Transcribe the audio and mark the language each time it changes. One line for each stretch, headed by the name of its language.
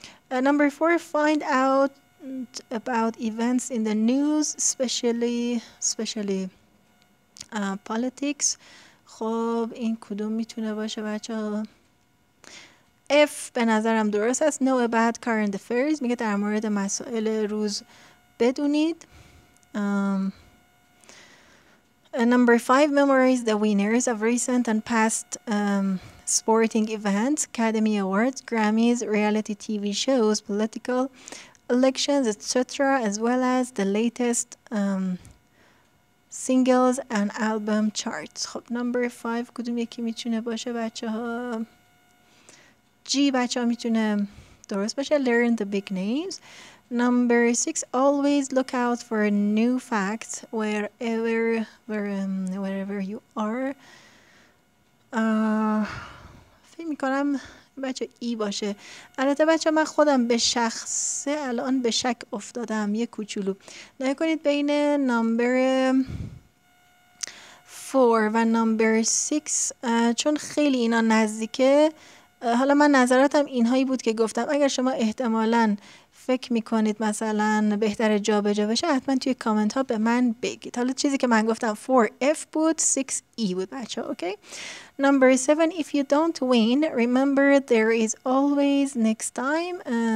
English: Number 4 find out about events in the news, especially politics.
Persian: خب این کدوم میتونه باشه بچه ها؟ F به نظرم درست است.
English: Know about current affairs.
Persian: میگه در مورد مسائل روز بدونید.
English: Number 5 memorize the winners of recent and past sporting events, Academy Awards, Grammys, reality TV shows, political elections, etc., as well as the latest singles and album charts.
Persian: خب number 5 کدوم یکی میتونه باشه بچه ها؟ G بچه ها میتونه درست باشه.
English: Learn the big names. Number 6 always look out for new facts wherever you are.
Persian: فکر میکنم بچه ای باشه. البته بچه من خودم به شخصه الان به شک افتادم یه کوچولو. نگاه کنید بین نمبر 4 و نمبر 6 چون خیلی اینا نزدیکه. حالا من نظراتم اینهایی بود که گفتم. اگر شما احتمالاً فکر میکنید مثلا بهتر جا به جا بشه حتما توی کامنت ها به من بگید. حالا چیزی که من گفتم 4F بود 6E بود بچه ها. اوکی نمبر 7
English: if you don't win remember there is always next time.